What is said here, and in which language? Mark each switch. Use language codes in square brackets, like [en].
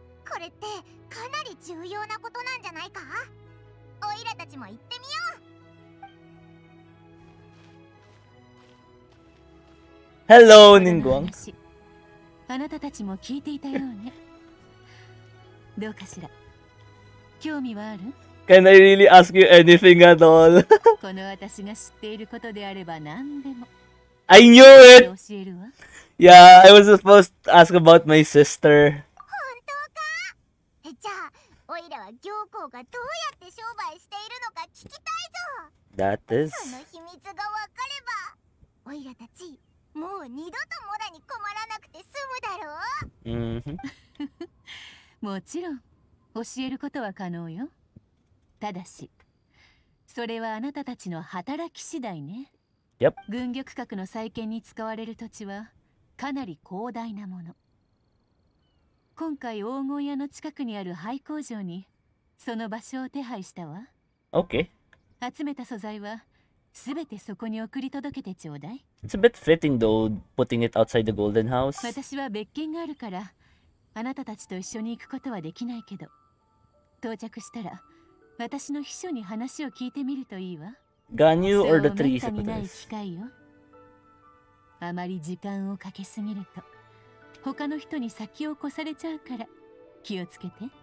[ja] これってかなり重要なことなんじゃないか。オイラたちも行ってみよう。 [en] Hello, Ningguang. [ja] あなたたちも聞いていたようね。どうかしら。興味はある？ [en] Can I really ask you anything at all? [ja] この私が知っていることであれば何でも。 [en] I knew it. [ja] 教えるわ。 [en] Yeah, I was supposed to ask about my sister. [ja] 本当か？じゃあ、オイラは行幸がどうやって商売しているのか聞きたいぞ。 [en] That is. [ja] その秘密がわかれば、オイラたち。もう二度とモラに困らなくて済むだろう。もちろん教えることは可能よ。ただしそれはあなたたちの働き次第ね。 [en] Yep. [ja] 軍玉閣の再建に使われる土地はかなり広大なもの。今回黄金屋の近くにある廃工場にその場所を手配したわ。 [en] Okay. [ja] 集めた素材はすべてそこに送り届けてちょうだい。 [en] It's a bit fitting though, putting it outside the Golden House. [ja] 私は別件があるから、あなたたちと一緒に行くことはできないけど、到着したら、私の秘書に話を聞いてみるといいわ。 [en] ガニュー or the trees? [ja] そう、めったにない機会よ。あまり時間をかけすぎると、他の人に先を越されちゃうから、気をつけて。